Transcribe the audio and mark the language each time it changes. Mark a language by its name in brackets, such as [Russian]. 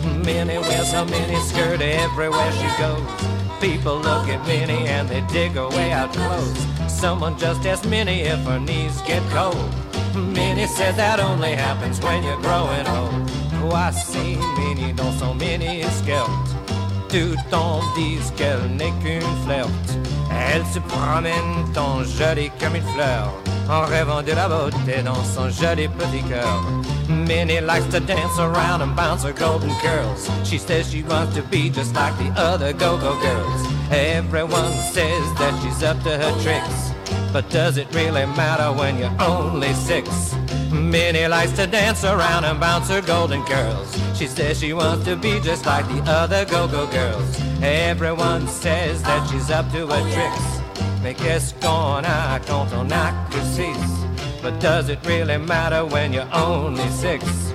[English] Minnie wears her mini skirt everywhere she goes. People look at Minnie and they dig her way out clothes. Someone just asked Minnie if her knees get cold. Minnie said that only happens when you're growing old. Oh, I see Minnie [French] dans son [English] mini skirt. [French] Tout en dit qu'elle n'est qu'une flirt. Elle se promène tant jolie comme une fleur, en rêvant de la beauté dans son joli petit cœur. [English] Minnie likes to dance around and bounce her golden curls. She says she wants to be just like the other go-go girls. Everyone says that she's up to her tricks, but does it really matter when you're only six? Minnie likes to dance around and bounce her golden curls. She says she wants to be just like the other go-go girls. Everyone says that she's up to her tricks. [French] Mais qu'est-ce qu'on a quand on a que six? [English] But does it really matter when you're only six?